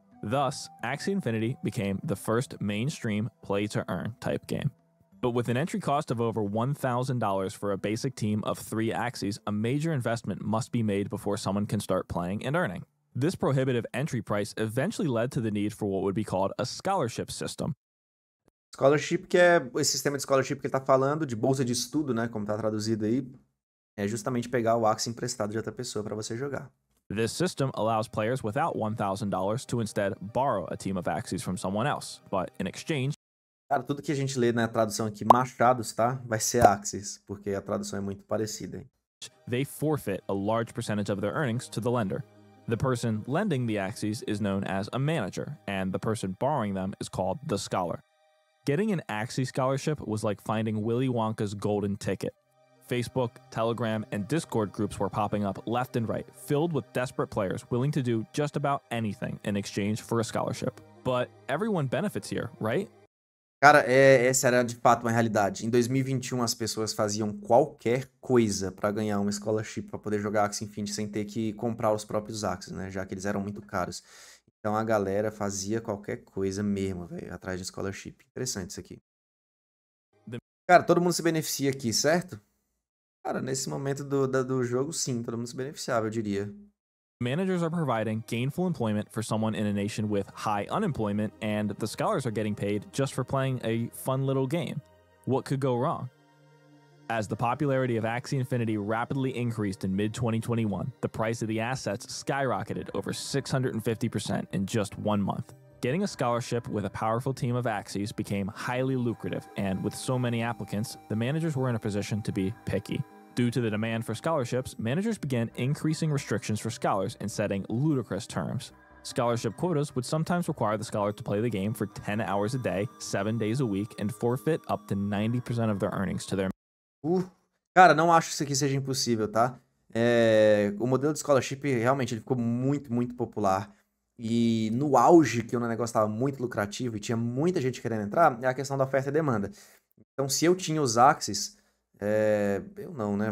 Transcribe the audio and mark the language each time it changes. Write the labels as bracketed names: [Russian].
[English] Thus, Axie Infinity became the first mainstream play-to-earn type game. But with an entry cost of over $1,000 for a basic team of 3 Axies, a major investment must be made before someone can start playing and earning. This prohibitive entry price eventually led to the need for what would be called a scholarship system. [Portuguese] Scholarship, que é esse sistema de scholarship que ele tá falando, de bolsa de estudo, né, como tá traduzido aí, é justamente pegar o Axie emprestado de outra pessoa para você jogar. [English] This system allows players without $1,000 to instead borrow a team of Axies from someone else, but in exchange... [Portuguese] Cara, tudo que a gente lê na tradução aqui, machados, tá? Vai ser Axies, porque a tradução é muito parecida, hein? [English] They forfeit a large percentage of their earnings to the lender. The person lending the Axies is known as a manager, and the person borrowing them is called the scholar. Getting an Axie scholarship was like finding Willy Wonka's golden ticket. Facebook, Telegram, and Discord groups were popping up left and right, filled with desperate players willing to do just about anything in exchange for a scholarship. But everyone benefits here, right? [Portuguese] Cara, essa era de fato uma realidade. Em 2021, as pessoas faziam qualquer coisa pra ganhar uma scholarship pra poder jogar Axie Infinity sem ter que comprar os próprios Axies, né? Já que eles eram muito caros. Então a galera fazia qualquer coisa mesmo, velho, atrás de scholarship. Interessante isso aqui. Cara, todo mundo se beneficia aqui, certo? Cara, nesse momento do jogo, sim, todo mundo se beneficiava, eu diria. [English] Managers are providing gainful employment for someone in a nation with high unemployment, and the scholars are getting paid just for playing a fun little game. What could go wrong? As the popularity of Axie Infinity rapidly increased in mid-2021, the price of the assets skyrocketed over 650% in just 1 month. Getting a scholarship with a powerful team of Axies became highly lucrative, and with so many applicants, the managers were in a position to be picky. Due to the demand for scholarships, managers began increasing restrictions for scholars and setting ludicrous terms. Scholarship quotas would sometimes require the scholar to play the game for 10 hours a day, 7 days a week, and forfeit up to 90% of their earnings to their... [Portuguese] Cara, não acho que isso aqui seja impossível, tá? O modelo de scholarship, realmente, ele ficou muito, muito popular. E no auge, que o negócio estava muito lucrativo e tinha muita gente querendo entrar, é a questão da oferta e demanda. Então, se eu tinha os Axies... eu não, né?